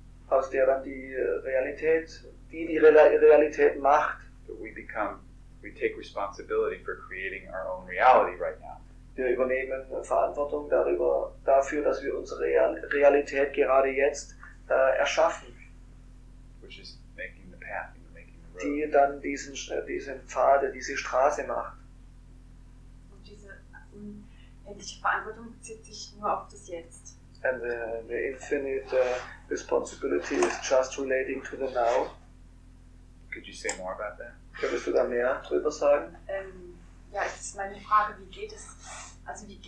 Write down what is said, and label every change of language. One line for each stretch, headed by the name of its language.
German: Aus der dann die Realität, die Realität macht.
English: We take responsibility for creating our own reality right now.
German: Wir übernehmen Verantwortung dafür, dass wir unsere Realität gerade jetzt erschaffen.
English: Which is making the path, making the road.
German: Die dann diesen Pfad, diese Straße macht. Und diese endliche Verantwortung bezieht sich nur auf das Jetzt.
English: And the infinite responsibility is just relating to the now. Could you say more about that?
German: Könntest du da mehr drüber sagen? Ja, es ist meine Frage, wie geht es, dass